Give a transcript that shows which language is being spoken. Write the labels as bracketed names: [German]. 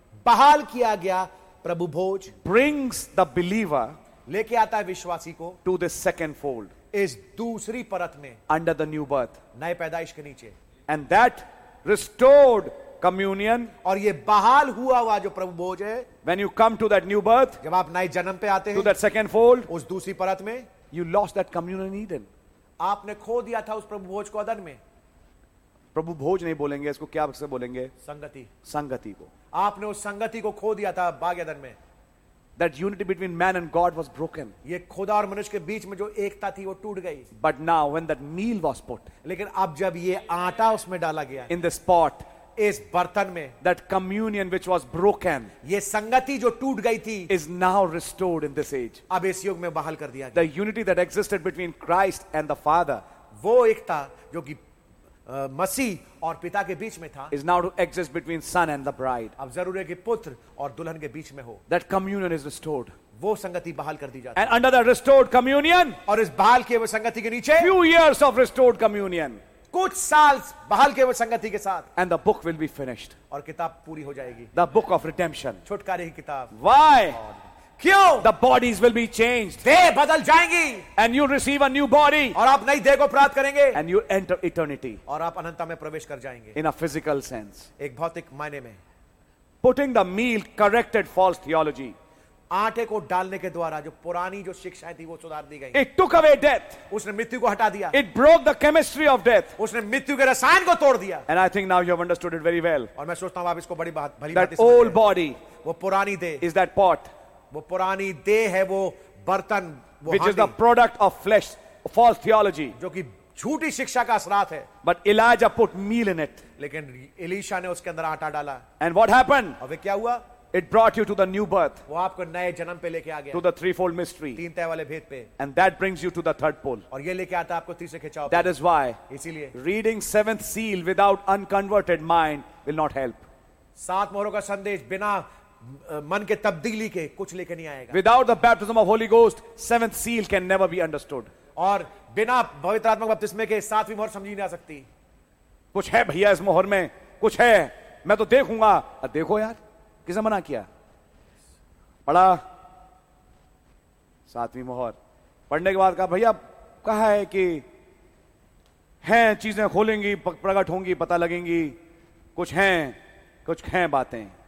[Hindi] बहाल किया गया प्रभु भोज, [English] brings the believer, [Hindi] लेके आता है विश्वासी को, [English] to the second fold, [Hindi] इस दूसरी परत में, [English] under the new birth, [Hindi] नए पैदाइश के नीचे, [English] and that restored communion. [Hindi] और ये बहाल हुआ हुआ जो प्रभु भोज है. [English] When you come to that new birth, [Hindi] जब आप नए जन्म पे आते हैं, [English] to that second fold, [Hindi] उस दूसरी परत में, [English] you lost that communion in Eden. [Hindi] आपने खो दिया था उस प्रभु भोज को अदन में. प्रभु भोज नहीं बोलेंगे इसको, क्या अक्सर बोलेंगे? संगति. संगति को आपने उस संगति को खो दिया था बाग अदन में. [English] That unity between man and God was broken. [Hindi] ये खुदा और मनुष्य के बीच में जो एकता थी वो टूट गई. [English] But now, when that meal was put, [Hindi] लेकिन अब जब ये आटा उसमें डाला गया, [English] in this pot, [Hindi] इस बर्तन में, [English] that communion which was broken, [Hindi] ये संगति जो टूट गई थी, [English] is now restored in this age. [Hindi] अब इस युग में बहाल कर दिया गया. [English] The unity that existed between Christ and the Father, [Hindi] वो एकता जो कि मसीह और पिता के बीच में था, [English] is now to exist between son and the bride. [Hindi] अब जरूरी है कि पुत्र और दुल्हन के बीच में हो. [English] That communion is restored. [Hindi] वो संगति बहाल कर दी जाती. [English] And under the restored communion, [Hindi] और इस बहाल के वो संगति के नीचे, [English] few years of restored communion, [Hindi] कुछ साल बहाल के वो संगति के साथ, [English] and the book will be finished. [Hindi] और किताब पूरी हो जाएगी. [English] The book of redemption, [Hindi] छुटकारे की किताब. [English] Why? [Hindi] क्यों? [English] The bodies will be changed. [Hindi] देह बदल जाएंगी. [English] And you receive a new body. [Hindi] और आप नई देह को प्राप्त करेंगे. [English] And you enter eternity. [Hindi] और आप अनंत में प्रवेश कर जाएंगे. [English] In a physical sense. [Hindi] एक भौतिक मायने में. [English] Putting the meal corrected false theology. [Hindi] आटे को डालने के द्वारा जो पुरानी जो शिक्षाएं थी वो सुधार दी गई. [English] It took away death. [Hindi] उसने मृत्यु को हटा दिया. [English] It broke the chemistry of death. [Hindi] उसने मृत्यु के रसायन को तोड़ दिया. [English] And I think now you have understood it very well. [Hindi] और मैं सोचता हूं आप इसको बड़ी बात भली बात समझ गए. [English] That old body. [Hindi] वो पुरानी देह. [English] Is that pot. [Hindi] वो पुरानी देह है वो बर्तन. वो [English] Which is the product of flesh, false theology. [Hindi] जो कि झूठी शिक्षा का असरात है. [English] But Elijah put meal in it. [Hindi] लेकिन एलिशा ने उसके अंदर आटा डाला. [English] And what happened? [Hindi] और वे क्या हुआ? [English] It brought you to the new birth. [Hindi] वो आपको नए जन्म पे लेके आ गया. [English] To the threefold mystery. [Hindi] तीन तह वाले भेद पे. [English] And that brings you to the third pole. [Hindi] और ये लेके आता आपको तीसरे खिंचाव. [English] That is why. [Hindi] इसीलिए. [English] Reading seventh seal without unconverted mind will not help. [Hindi] सात मोहरों का संदेश बिना मन के तब्दीली के कुछ लेके नहीं आएगा. [English] Without the baptism of Holy Ghost, seventh seal can never be understood. [Hindi] और बिना पवित्र आत्मा के बपतिस्मे के सातवीं मोहर समझी नहीं आ सकती. कुछ है भैया इस मोहर में, कुछ है, मैं तो देखूंगा. देखो यार, किसने मना किया? पढ़ा सातवीं मोहर, पढ़ने के बाद कहा भैया कहा है कि हैं चीजें खोलेंगी, प्रकट होंगी, पता लगेंगी, कुछ हैं, कुछ हैं बातें.